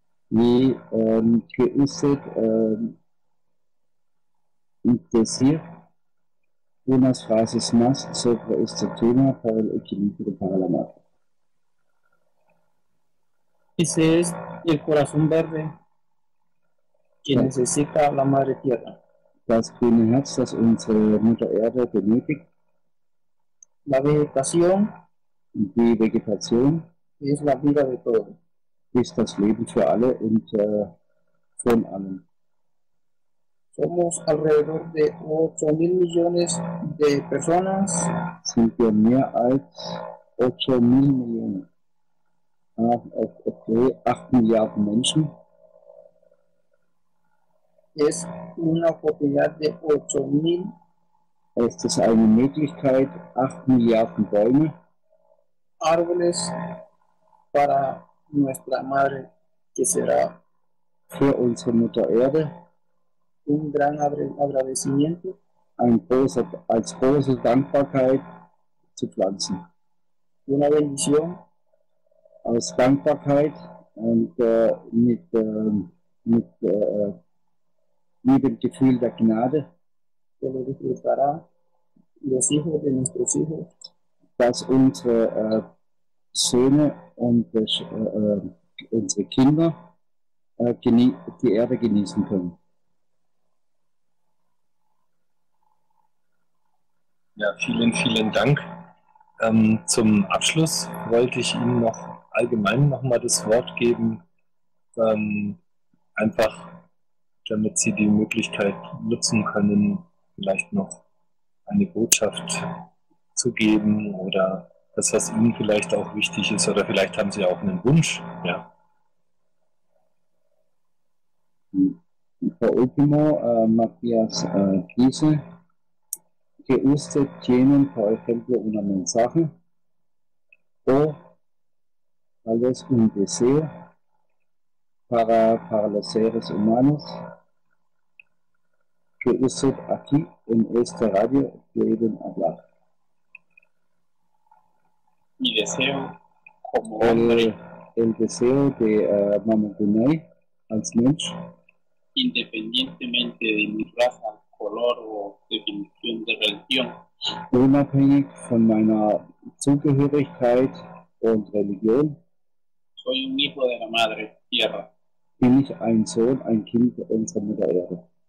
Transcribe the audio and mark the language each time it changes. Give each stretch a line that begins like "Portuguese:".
Spanish: Y que usted decir unas frases más sobre este tema para el equilibrio para la madre. Ese es el corazón verde que necesita la madre tierra.
German: Das grüne Herz, das unsere Mutter Erde benötigt.
Spanish: La vegetación.
German: Die Vegetation.
Spanish: Es la vida de todos.
German: Ist das Leben für alle und von allen.
Spanish: Somos alrededor de 8.000 millones de personas.
German: Sind wir mehr als 8.000 Millionen. Okay, 8 Milliarden Menschen.
Spanish: Es una oportunidad de 8.000.
German: Es ist eine Möglichkeit, 8 Milliarden Bäume.
Spanish: Árboles para nuestra madre, que será.
German: Für unsere Mutter Erde.
Spanish: Un gran agradecimiento.
German: Als große Dankbarkeit zu pflanzen.
Spanish: Una bendición.
German: Aus Dankbarkeit und mit dem Gefühl der Gnade, dass unsere Söhne und unsere Kinder die Erde genießen können. Ja, vielen, vielen Dank. Zum Abschluss wollte ich Ihnen noch allgemein noch mal das Wort geben, einfach damit Sie die Möglichkeit nutzen können, vielleicht noch eine Botschaft zu geben oder das, was Ihnen vielleicht auch wichtig ist, oder vielleicht haben Sie auch einen Wunsch. Ja.
Spanish: Por último, Matthias,
German: diese,
Spanish: que usted tiene, por ejemplo, una mensaje o tal vez un deseo para los seres humanos que usted aquí en esta radio pueden hablar. Mi deseo como el deseo de Mama Gunay
German: als Mensch,
Spanish: independientemente de mi raza, color o definición de religión.
German: Unabhängig von meiner Zugehörigkeit und Religion.
Spanish: Soy un hijo de la madre tierra.
German: Bin ich ein Sohn, ein Kind unserer Mutter Erde.